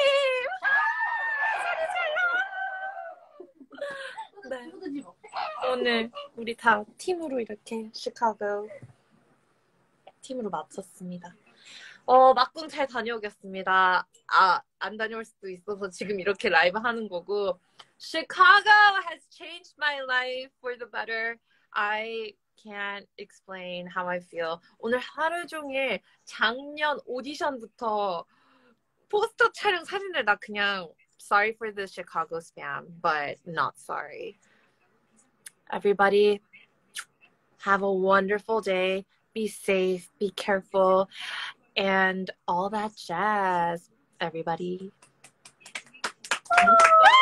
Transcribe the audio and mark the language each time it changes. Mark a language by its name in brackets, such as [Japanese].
[Korean] 아, 소리 질러! 네. 오늘 우리 다 팀으로 이렇게 시카고 팀으로 맞췄습니다. 막공 잘 다녀오겠습니다. 아, 안 다녀올 수도 있어서 지금 이렇게 라이브 하는 거고. [English] Chicago has changed my life for the better. I can't explain how I feel. [Korean] 오늘 하루 종일 작년 오디션부터 포스터 촬영 사진을 나 그냥 [English] sorry for the Chicago spam, but not sorry. Everybody, have a wonderful day. Be safe, be careful, and all that jazz, everybody.